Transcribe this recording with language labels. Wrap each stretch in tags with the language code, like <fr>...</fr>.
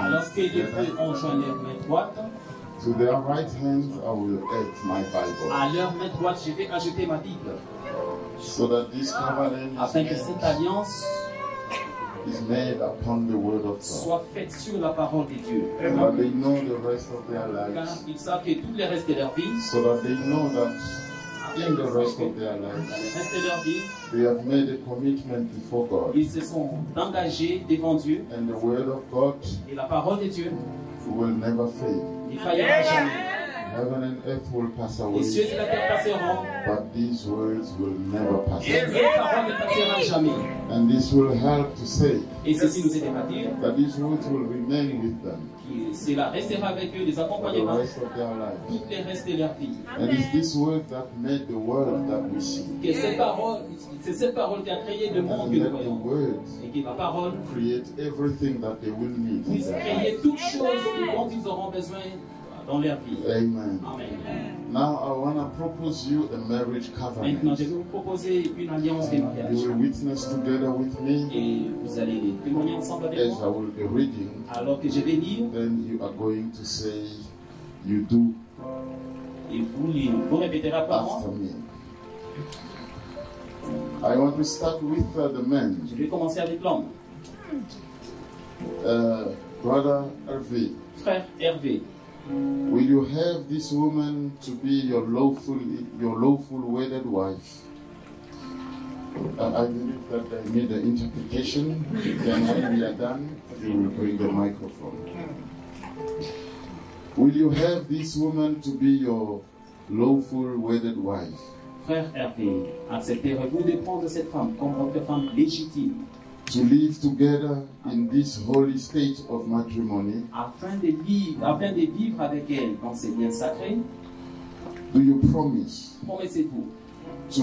<en>To their right hand, I will add my Bible.</en> <fr>À leur main droite, je vais ajouter ma Bible.</fr> <en>So that this covenant</en> <fr>afin que cette alliance</fr> <en>is made upon the word of God.</en> <fr>Soit faite sur la parole de Dieu.</fr> <en>So that they know the rest of their lives.</en> <fr>Car ils savent que tout le reste de leur vie.</fr> <en>So that they know that in the rest of their lives, they have made a commitment before God.</en> <fr>Ils se sont engagés devant Dieu.</fr> <en>And the word of God.</en> <fr>Et la parole de Dieu.</fr> <en>Will never fail.</en> <fr>Il faillera jamais.</fr> <en>Heaven and earth will pass away.</en> <fr>Les cieux et la terre passeront.</fr> <en>But these words will never pass away.</en> <fr>Et ces paroles ne passeront jamais.</fr> <en>And this will help to say.</en> <fr>Et ceci nous aidera à dire.</fr> <en>That these words will remain with them.</en> <fr>Cela restera avec eux, les accompagnera.</fr> <en>The rest of their life.</en> <fr>Toutes les restes de leur vie.</fr> <en>And it's this word that made the world that we see.</en> <fr>Que ces paroles, c'est cette parole qui a créé le monde que nous voyons.</fr> <en>Word.</en> <fr>Et que la parole.</fr> <en>Create everything that they will need.</en> <fr>Puisse créer toutes choses dont ils auront besoin. Dans leur vie. Amen. Amen.</fr> <en>Now I want to propose you a marriage covenant.</en> <fr>Maintenant, je vais vous proposer une alliance de mariage.</fr> <en>You will witness together with me.</en> <fr>Et vous allez témoigner ensemble avec moi.</fr> <en>As I will be reading.</en> <fr>Alors que je vais lire.</fr> <en>Then you are going to say, you do.</en> <fr>Et vous lirez. Vous répéterez après moi.</fr> <en>After me. I want to start with the men.</en> <fr>Je vais commencer avec l'homme.</fr> <en>Brother Hervé.</en> <fr>Frère Hervé.</fr> <en>Will you have this woman to be your lawful wedded wife? I believe that I made the interpretation. Then when we are done, you will bring the microphone. Will you have this woman to be your lawful wedded wife?</en> <fr>Frère Hervé, accepterez-vous de prendre cette femme comme votre femme légitime?</fr> <en>To live together in this holy state of matrimony.</en> <fr>Afin de vivre avec elle dans ces liens sacrés.</fr> <en>Do you promise?</en> <fr>Promettez-vous.</fr>